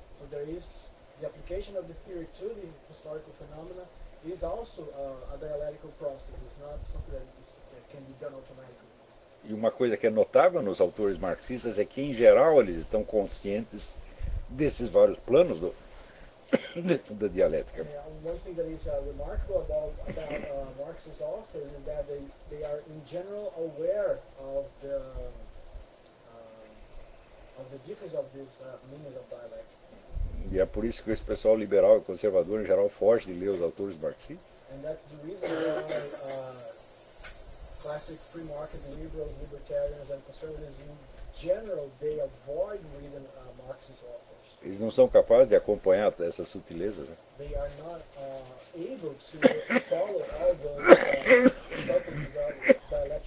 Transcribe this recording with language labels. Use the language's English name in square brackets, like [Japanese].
[English] So there is the application of the theory to the historical phenomena is also a dialectical process. It's not something that can be done automatically. [Portuguese] E uma coisa que é notável nos autores marxistas é que, em geral, eles estão conscientes desses vários planos da dialética. Uma coisa que é [English] remarkable about Marx's authors is that they are, in general, aware of the difference of these meanings of dialectics. [Portuguese] E é por isso que esse pessoal liberal e conservador, em geral, foge de ler os autores marxistas. [English] And that's the reason why, classic free market liberals, libertarians, and conservatives in general, they avoid reading Marx's authors. [Portuguese] Eles não são capazes de acompanhar essas sutilezas. [English] They are not able to follow all the subtleties of